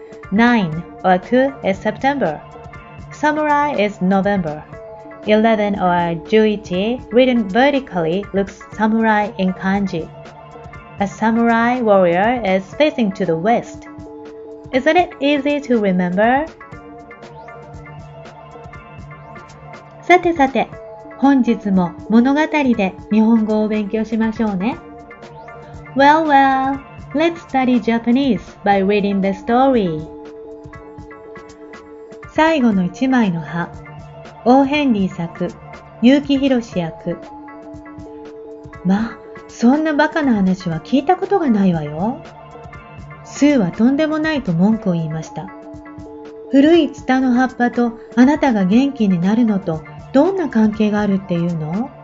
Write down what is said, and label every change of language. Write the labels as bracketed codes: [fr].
[en] 9 or ku is September. Samurai is November. 11 or juichi written vertically looks samurai in kanji. A samurai warrior is facing to the west. Isn't it easy to remember? [ja] さてさて、本日も物語で日本語を勉強しましょうね。 [en] Well, well, let's study Japanese by reading the story. [ja] 最後の一枚の葉、オーヘンリー作、結城ひろし役。ま、そんなバカな話は聞いたことがないわよ。スーはとんでもないと文句を言いました。古いツタの葉っぱとあなたが元気になるのと、どんな関係があるっていうの?